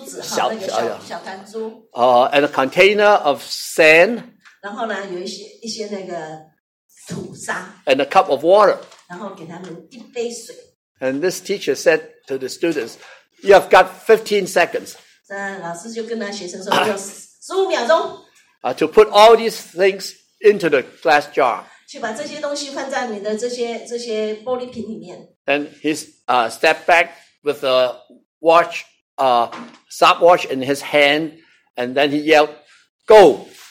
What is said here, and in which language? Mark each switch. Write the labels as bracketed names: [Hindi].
[Chinese] 有一大堆的那个珠子，小弹珠。 [English] And a container of sand. [Chinese] 然后呢，有一些那个土沙。 [English] And a cup of water. [Chinese] 然后给他们一杯水。 [English] And this teacher said to the students, "You have got 15 seconds." [Chinese] 老师就跟他学生说，有15秒钟。 [English] To put all these things into the glass jar. [Chinese] 去把这些东西放在你的这些玻璃瓶里面。 [English] And he stepped back with a watch, stopwatch in his hand, and then he yelled, "Go!"